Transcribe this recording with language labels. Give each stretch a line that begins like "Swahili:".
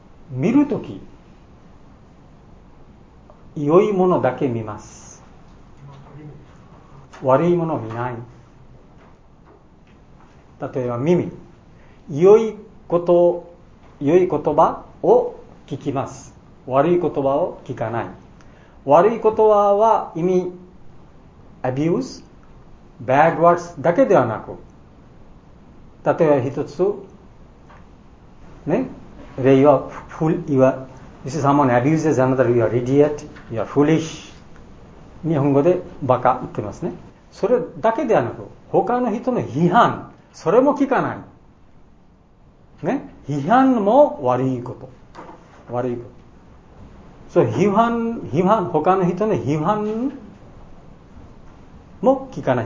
Japanese: 見るとき、良いものだけ見ます。悪いものを見ない。例えば耳。良いこと、良い言葉を聞きます。悪い言葉を聞かない。悪い言葉は意味、
English: abuse、bad words
Japanese: だけではなく、例えば一つ、ね、例は、
English: fool、this is someone abuses another, you are idiot, you are foolish。
Japanese: 日本語でバカ言ってますね。それだけではなく、他の人の批判、それも聞かない。ね、批判も悪いこと。悪いこと。そう、批判、他の人の批判も聞かない。